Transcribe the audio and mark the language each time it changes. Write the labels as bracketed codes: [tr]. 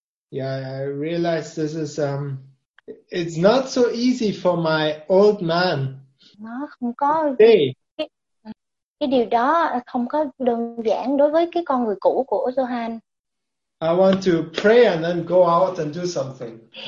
[en] Yeah, I realize this is it's not so easy for my old man. [vi] Nó không có hey. Cái điều đó không có đơn giản đối với cái con người cũ của Johan. [en] I want to pray and then go out and do something.